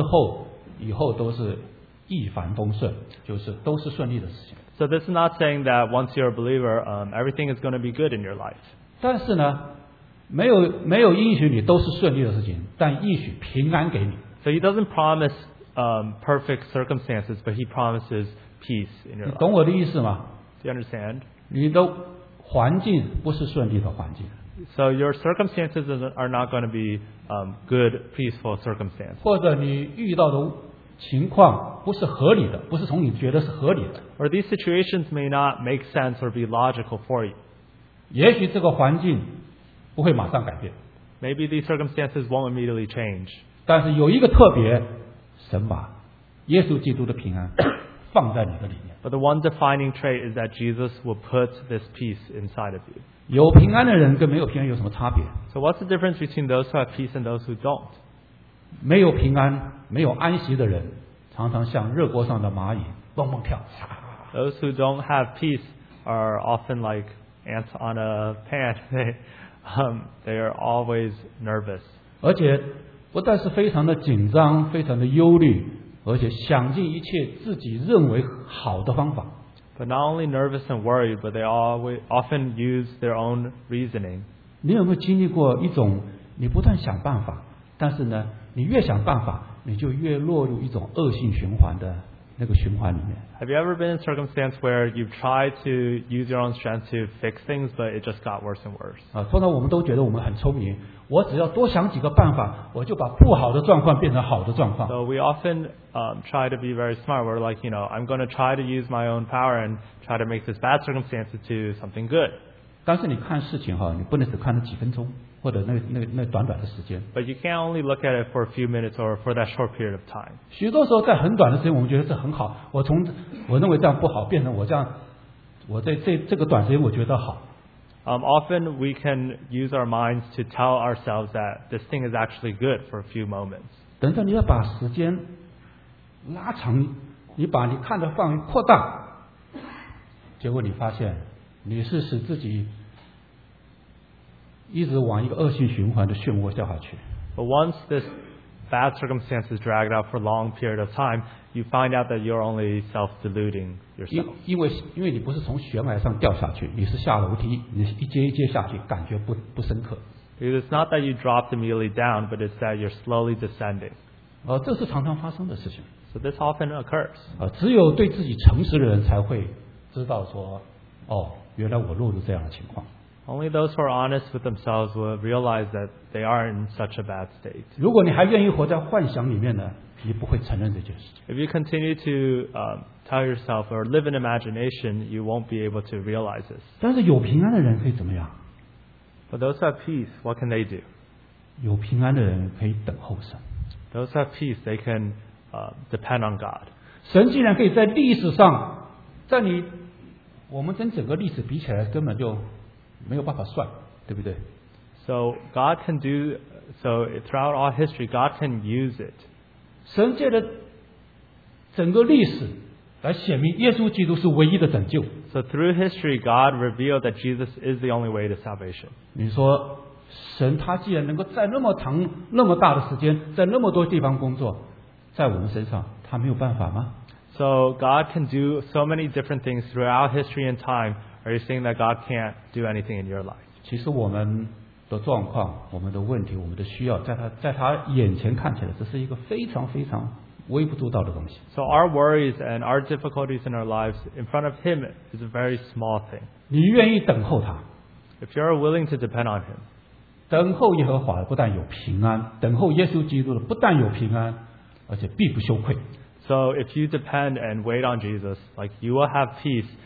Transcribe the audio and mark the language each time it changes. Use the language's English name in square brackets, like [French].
[Chinese] 所以信耶稣不是信了之后以后都是一帆风顺, 就是都是顺利的事情。 [English] So this is not saying that once you're a believer, everything is going to be good in your life. [Chinese] 但是呢, 没有应许你都是顺利的事情, 但应许平安给你。 [English] So he doesn't promise perfect circumstances, but he promises peace in your life. [Chinese] 你懂我的意思吗? [English] Do you understand? [Chinese] 你都 环境不是顺利的环境, [English] so your circumstances are not going to be good, peaceful circumstances. [Chinese] 或者你遇到的情况不是合理的, 不是从你觉得是合理的, [English] or these situations may not make sense or be logical for you. [Chinese] 也许这个环境不会马上改变, [English] maybe these circumstances won't immediately change. [Chinese] 但是有一个特别, 神把耶稣基督的平安 放在你的里面。 [English] But the one defining trait is that Jesus will put this peace inside of you. [Chinese] 有平安的人跟没有平安有什么差别? [English] So what's the difference between those who have peace and those who don't? [Chinese] 没有平安, 没有安息的人, 常常像热锅上的蚂蚁, 蹦蹦跳, [English] those who don't have peace are often like ants on a pan. They are always nervous. [Chinese] 而且不但是非常的紧张, 非常的忧虑, 而且想尽一切自己认为好的方法, [English] but not only nervous and worried, but they often use their own reasoning. [Chinese] 你有没有经历过一种你不断想办法, 但是呢, 你越想办法, 你就越落入一种恶性循环的那个循环里面。 [English] Have you ever been in a circumstance where you've tried to use your own strength to fix things, but it just got worse and worse? [Chinese] 啊，通常我们都觉得我们很聪明，我只要多想几个办法，我就把不好的状况变成好的状况。 [English] So we often try to be very smart. We're like, you know, I'm going to try to use my own power and try to make this bad circumstance into something good. [Chinese] 但是你看事情哈，你不能只看了几分钟。或者那短短的时间。 [English] But you can't only look at it for a few minutes or for that short period of time. [Chinese] 许多时候在很短的时间，我们觉得这很好。我认为这样不好，变成我这样，我在这个短时间我觉得好。 [English] Often we can use our minds to tell ourselves that this thing is actually good for a few moments. [Chinese] 等等，你要把时间拉长，你把你看的范围扩大，结果你发现你是使自己。一直往一个恶性循环的漩涡掉下去。 [English] But once this bad circumstance is dragged out for a long period of time, you find out that you're only self-deluding yourself. [Chinese] 因为你不是从悬崖上掉下去，你是下楼梯，你是一阶一阶下去，感觉不深刻。 [English] Because it's not that you dropped immediately down, but it's that you're slowly descending. [Chinese] 这是常常发生的事情。 [English] So this often occurs. [Chinese] 只有对自己诚实的人才会知道说，哦，原来我落入这样的情况。 [English] Only those who are honest with themselves will realize that they are in such a bad state. [Chinese] 如果你还愿意活在幻想里面呢，你不会承认这件事。 [English] If you continue to tell yourself or live in imagination, you won't be able to realize this. [Chinese] 但是有平安的人可以怎么样？ [English] But those who have peace, what can they do? [Chinese] 有平安的人可以等候神。 [English] Those who have peace, they can depend on God. [Chinese] 神既然可以在历史上，在你我们跟整个历史比起来，根本就没有办法算，对不对？ [English] So God can do so throughout all history. God can use it. [Chinese] 神借着整个历史来显明耶稣基督是唯一的拯救。 [English] So through history, God revealed that Jesus is the only way to salvation. [Chinese] 你说神他既然能够在那么长、那么大的时间，在那么多地方工作，在我们身上，他没有办法吗？ [English] So God can do so many different things throughout history and time. Are you saying that God can't do anything in your life? [Chinese] 其实我们的状况、我们的问题、我们的需要，在他眼前看起来，这是一个非常非常微不足道的东西。 [English] So our worries and our difficulties in our lives in front of Him is a very small thing. [Chinese] 你愿意等候他 [English] ？If you are willing to depend on Him, [Chinese] 等候耶和华不但有平安，等候耶稣基督的不但有平安，而且必不羞愧。 [English] So if you depend and wait on Jesus, like you will have peace.